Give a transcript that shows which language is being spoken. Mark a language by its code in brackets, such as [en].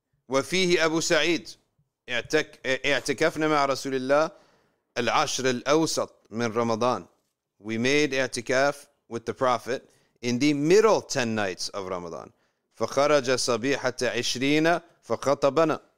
[ar] وفيه أبو سعيد اعتكفنا مع رسول الله العشر الأوسط من رمضان. [en] We made اعتكاف with the Prophet in the middle 10 nights of Ramadan. [ar] فخرج صبيحة عشرين فخطبنا.